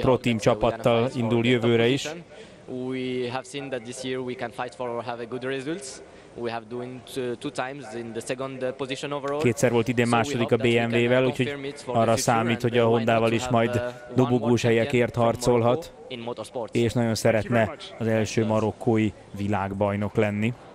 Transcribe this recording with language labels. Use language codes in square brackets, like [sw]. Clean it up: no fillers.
[hu] Pro Team csapattal indul jövőre is. [en] We have seen that this year we can fight for have a good results. We have doing two times in the second position overall. [hu] Kétszer volt idén második a BMW-vel, úgyhogy arra számít, hogy a Hondával is majd dobogós helyekért harcolhat, és nagyon szeretne az első marokkói világbajnok lenni.